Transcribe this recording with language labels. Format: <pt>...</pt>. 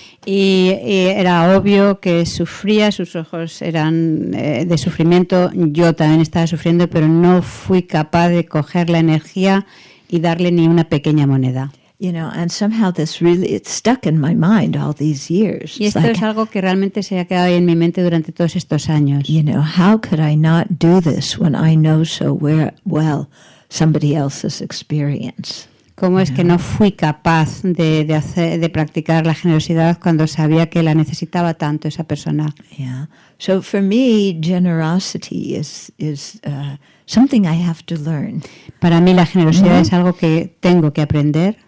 <es>Y era obvio que sufría, sus ojos eran de sufrimiento, yo también estaba sufriendo, pero no fui capaz de coger la energía y darle ni una pequeña moneda.</es> <en>You know, and somehow this really, it stuck in my mind all these years.</en> <es>Y esto like, es algo que realmente se ha quedado ahí en mi mente durante todos estos años.</es> <en>You know, how could I not do this when I know so well somebody else's experience?</en> <es>¿Cómo es que no fui capaz de practicar la generosidad cuando sabía que la necesitaba tanto esa persona?</es> <en>Yeah. So for me, generosity is something I have to learn.</en> <es>Para mí la generosidad es algo que tengo que aprender.</es>